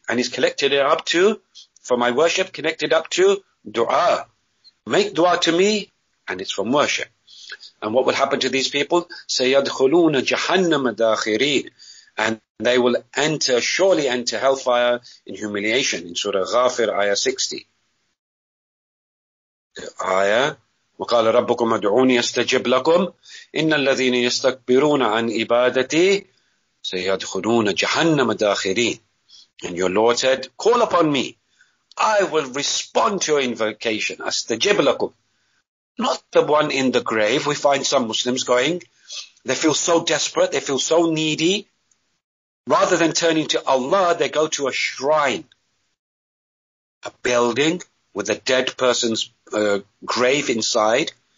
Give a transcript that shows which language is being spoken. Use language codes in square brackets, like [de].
[en] And he's connected it up to, for my worship, connected up to dua. Make dua to me. And it's from worship. And what will happen to these people? [ar] سَيَدْخُلُونَ جَهَنَّمَ دَاخِرِينَ. [en] And they will enter, surely enter hellfire in humiliation. In Surah Ghafir, Ayah 60. ayah. [ar] وقال ربكم ادعوني استجب لكم ان الذين يستكبرون عن عبادتي سيدخلون جهنم داخرين. [en] And your Lord said, call upon me, I will respond to your invocation. [ar] استجب لكم. [en] Not the one in the grave. We find some Muslims going, they feel so desperate, they feel so needy. Rather than turning to Allah, they go to a shrine, a building with a dead person's grave inside.